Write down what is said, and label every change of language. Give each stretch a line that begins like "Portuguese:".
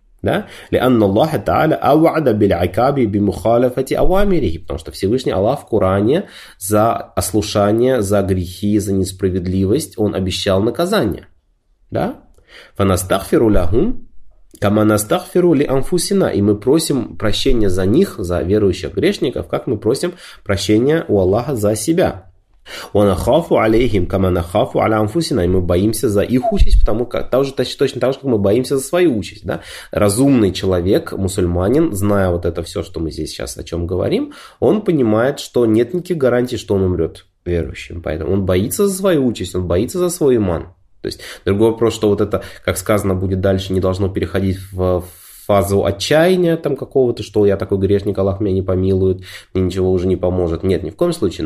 Russian: Потому что Всевышний Аллах в Коране за ослушание, за грехи, за несправедливость Он обещал наказание. Да? И мы просим прощения за них, за верующих грешников, как мы просим прощения у Аллаха за себя.
Arabic: ونخاف عليهم كما نخاف على أنفسنا.
Russian: И мы боимся за их участь, потому как, точно так же, как мы боимся за свою участь. Да? Разумный человек, мусульманин, зная вот это все, что мы здесь сейчас о чем говорим, он понимает, что нет никаких гарантий, что он умрет верующим. Поэтому он боится за свою участь, он боится за свой иман. То есть, другой вопрос, что вот это, как сказано, будет дальше, не должно переходить в фазу отчаяния там какого-то, что я такой грешник, Аллах меня не помилует, мне ничего уже не поможет. Нет, ни в коем случае.